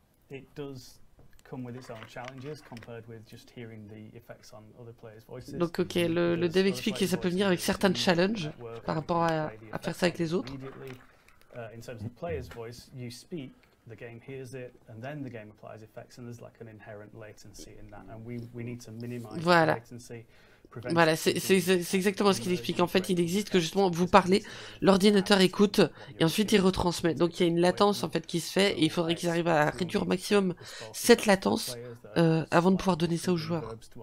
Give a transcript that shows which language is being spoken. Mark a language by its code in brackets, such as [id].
[en] It does come with its own challenges compared with just hearing the effects on other players' voices. [fr] Donc OK, le dev explique que ça peut venir avec certains challenges par rapport à faire ça avec les autres. [en] In terms of the player's voice, you speak, the game hears it, and then the game applies effects, and there's like an inherent latency in that, and we need to minimize latency. [fr] Voilà, c'est exactement ce qu'il explique. En fait, il existe que justement, vous parlez, l'ordinateur écoute, et ensuite il retransmet. Donc il y a une latence en fait qui se fait, et il faudrait qu'ils arrivent à réduire au maximum cette latence avant de pouvoir donner ça aux joueurs.